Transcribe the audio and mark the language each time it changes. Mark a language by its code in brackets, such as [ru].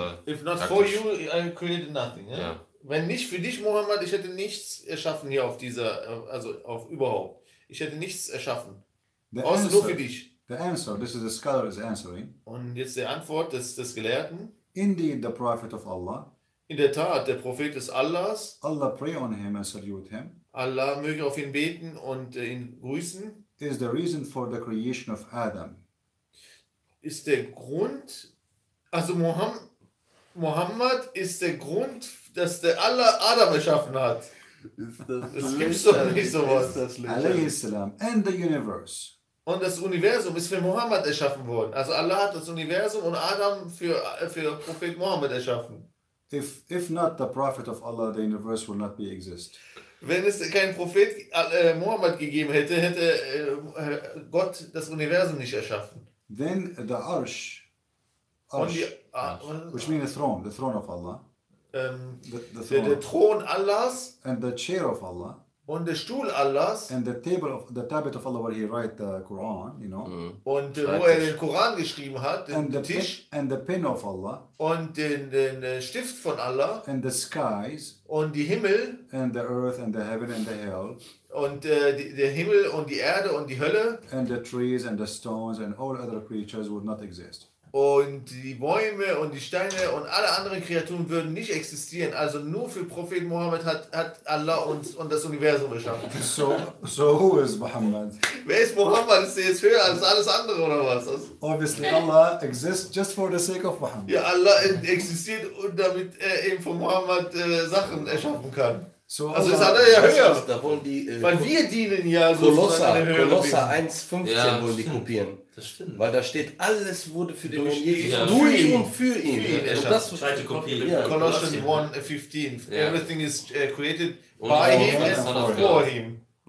[en] if not for you I created nothing yeah? [de] Wenn nicht für dich Muhammad ich hätte nichts erschaffen hier auf dieser also auf überhaupt ich hätte nichts erschaffen außer nur für dich [en] the answer this is the scholar is answering [de] und jetzt die Antwort des Gelehrten. [en] Indeed, the Prophet of Allah. [de] In der Tat, der Prophet des Allahs. [en] Allah pray on him and salute him. [de] Allah möge auf ihn beten und ihn grüßen. [en] Is the reason for the creation of Adam. [de] Ist der Grund, also Muhammad, Muhammad ist der Grund, dass der Allah Adam erschaffen hat. Das gibt es doch nicht sowas. [en] Alayhi salam. And the universe. [de] Und das Universum ist für Muhammad erschaffen worden. Also Allah hat das Universum und Adam für Prophet Muhammad erschaffen. [en] If not the Prophet of Allah, the universe will not be exist. [de] Wenn es keinen Prophet Muhammad gegeben hätte, hätte Gott das Universum nicht erschaffen. [en] Then the Arsh. Which means the throne of Allah. [de] Der Thron Allahs. [en] And the chair of Allah. [de] Und der Stuhl Allahs. [en] And the tablet of Allah where he write the Quran, you know. Mm. [de] Und wo er den Koran geschrieben hat, den Tisch. [en] And the pen of Allah. [de] Und den Stift von Allah. [en] And the skies. [de] Und die Himmel. [en] And the earth and the heaven and the hell. [de] Und der Himmel und die Erde und die Hölle. [en] And the trees and the stones and all other creatures would not exist. [de] Und die Bäume und die Steine und alle anderen Kreaturen würden nicht existieren. Also nur für Prophet Muhammad hat Allah uns und das Universum geschaffen. [en] So who is Muhammad? [de] Wer ist Muhammad? Ist der jetzt höher als alles andere oder was? Obviously Allah exists just for the sake of Muhammad. Ja, Allah existiert, damit er eben von Muhammad Sachen erschaffen kann. So, also ist Allah ja höher. Da wollen die, weil wir dienen ja Kolosser 1,15 ja, wollen die kopieren. Das stimmt. Weil da steht, alles wurde für den Jesus, durch ihn und für ihn. Das ist die Kopie. [en] Colossians 1:15. Everything is created by him and for him.